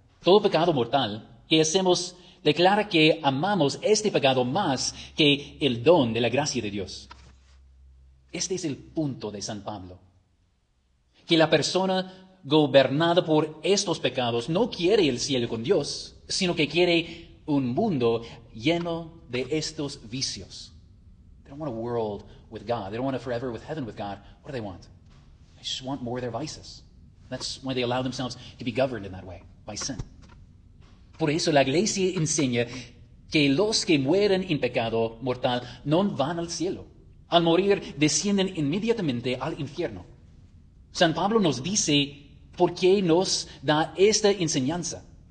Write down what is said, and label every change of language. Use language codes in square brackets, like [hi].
[es] Todo pecado mortal que hacemos declara que amamos este pecado más que el don de la gracia de Dios. Este es el punto de San Pablo. Que la persona gobernada por estos pecados no quiere el cielo con Dios, sino que quiere un mundo lleno de estos vicios. [en] They don't want a world with God. They don't want a forever with heaven with God. What do they want? They just want more of their vices. That's why they allow themselves to be governed in that way, by sin. [es] Por eso la iglesia enseña que los que mueren en pecado mortal no van al cielo. Al morir, descienden inmediatamente al infierno. San Pablo nos dice por qué nos da esta enseñanza.